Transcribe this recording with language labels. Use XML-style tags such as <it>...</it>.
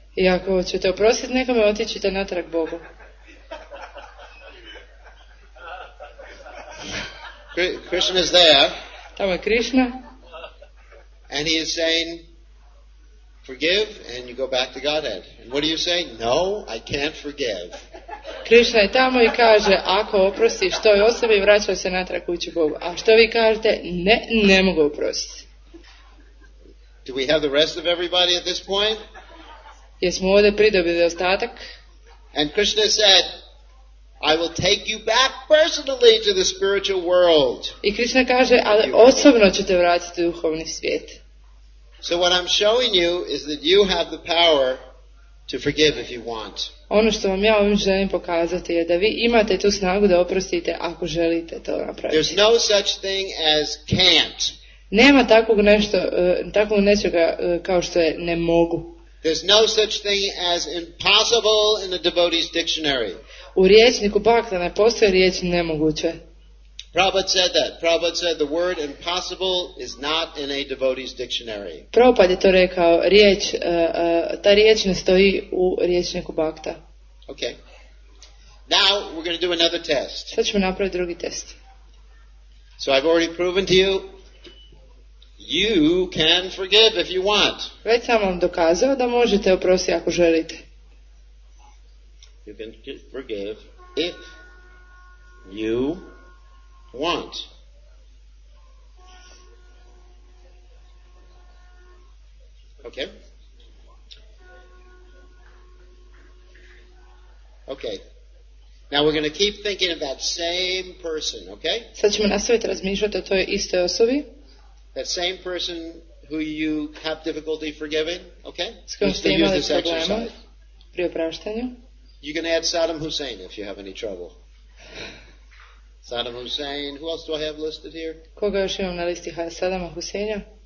<hr>I ako ćete oprostiti nekome, otići ćete natrag Bogu.</hr> <en>Krishna is there.</en> <hr>Tamo je Krishna.</hr> <en>And he is saying, forgive, and you go back to Godhead. And what do you say? No, I can't forgive.</en> <hr>Krishna je tamo i kaže, ako oprostiš toj osobi, vraćaj se natrag kući Bogu. A što vi kažete? Ne, ne mogu oprostiti.</hr> <en>Do we have the rest of everybody at this point?</en> <hr>Jesmo ovdje pridobili ostatak.</hr> <en>And Krishna said, I will take you back personally to the spiritual world.</en> <hr>I Krishna kaže, ali osobno ću te vratiti u duhovni svijet.</hr> <en>So what I'm showing you is that you have the power to forgive if you want.</en> <hr>Ono što vam ja ovim želim pokazati je da vi imate tu snagu da oprostite ako želite to napraviti.</hr> <en>There's no such thing as can't.</en> <hr>Nema takvog nečega kao što je ne mogu.</hr> <en>There's no such thing as impossible in the devotee's dictionary.</en> <hr>U rječniku bhakta ne postoji riječ nemoguće.</hr> <en>Prabhupada said that. Prabhupada said the word impossible is not in a devotee's dictionary.</en> <hr>Prabhupada je to rekao, riječ, ta riječ ne stoji u rječniku bhakta.</hr> <en>Okay. Now we're going to do another test.</en> <hr>Sad ćemo napraviti drugi test.</hr> <en>So I've already proven to you, you can forgive if you want.</en> <hr>Već sam vam dokazao da možete oprostiti ako želite.</hr> <en>You can forgive if you want. Okay. Okay. Now we're going to keep thinking of that same person, okay?</en> <hr>Sad ćemo nastaviti razmišljati o toj istoj osobi.</hr> <en>That same person who you have difficulty forgiving, okay?</en> <hr>S kojom ste imali problema pri opraštanju.</hr> <en>You can add Saddam Hussein if you have any trouble. Saddam Hussein. Who else do I have listed here?</en> <hr>Koga još imam na listi? Saddama Husseina.</hr>